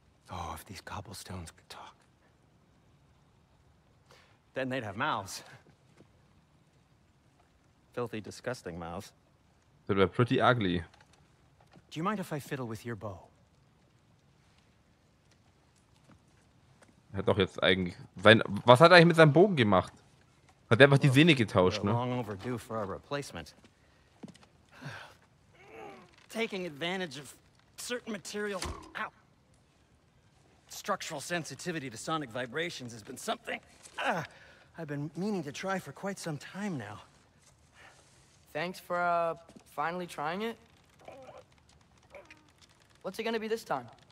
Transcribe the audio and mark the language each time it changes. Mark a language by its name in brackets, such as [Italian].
[English] Oh, if these cobblestones could talk. Then they'd have mouths. Filthy, disgusting mouths. They were pretty ugly. Do you mind if I fiddle with your bow? [German] Er hat doch jetzt eigentlich sein, was hat er eigentlich mit seinem Bogen gemacht? Hat er einfach die Sehne getauscht, ne? [English] Long overdue for a replacement. Taking advantage of certain material, ow. Structural sensitivity to sonic vibrations has been something I've been meaning to try for quite some time now. Thanks for finally trying it. What's it gonna be this time?